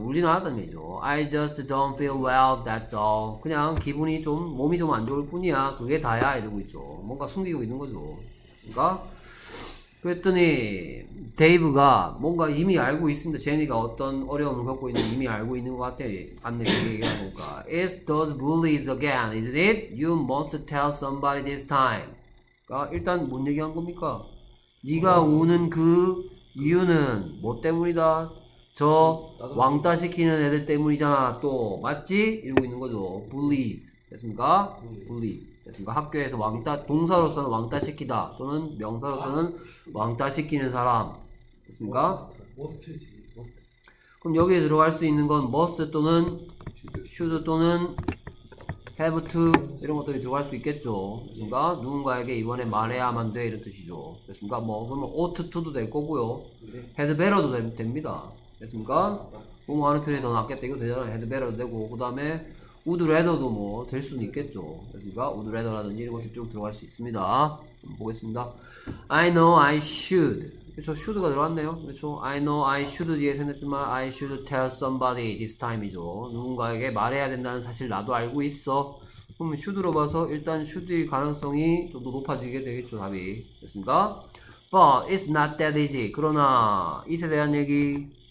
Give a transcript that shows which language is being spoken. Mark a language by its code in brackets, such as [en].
[ko] 울진 않았단 얘기죠. [en] I just don't feel well, that's all. [ko] 그냥 기분이 좀, 몸이 좀 안 좋을 뿐이야. 그게 다야. 이러고 있죠. 뭔가 숨기고 있는 거죠. 됐습니까? 그랬더니 데이브가 뭔가 이미 알고 있습니다. 제니가 어떤 어려움을 겪고 있는지 이미 알고 있는 것 같아. 봤네. 그 얘기가 뭔가 [en] It's those bullies again, isn't it? You must tell somebody this time. [ko] 아, 일단 뭔 얘기한 겁니까? 네가 우는 그 이유는 뭐 때문이다? 저 왕따 시키는 애들 때문이잖아. 또 맞지? 이러고 있는 거죠. Bullies 됐습니까? Bullies 됐습니까? 학교에서 왕따 동사로서는 왕따 시키다 또는 명사로서는 왕따 시키는 사람 됐습니까? Must지. Must. 그럼 여기에 들어갈 수 있는 건 must 또는 should 또는 have to 이런 것들이 들어갈 수 있겠죠. 그러니까 누군가에게 이번에 말해야만 돼 이런 뜻이죠. 됐습니까? 뭐 그러면 ought to도 될 거고요. 네. had better도 됩니다. 됐습니까? 뭐 하는 편이 더 낫겠다 이거 되잖아요. had better도 되고 그 다음에 would rather도 뭐 될 수는 있겠죠. 됐습니까? would rather라든지 이런 것들이 쭉 들어갈 수 있습니다. 보겠습니다. [en] I know I should. [ko] 그렇죠. should가 들어왔네요. 그렇죠. [en] I know I should [ko] 뒤에 생겼지만 [en] I should tell somebody this time이죠. [ko] 누군가에게 말해야 된다는 사실 나도 알고 있어. 그럼 should로 봐서 일단 should일 가능성이 좀 더 높아지게 되겠죠. 답이. 됐습니까? [en] But it's not that easy. [ko] 그러나 it에 대한 얘기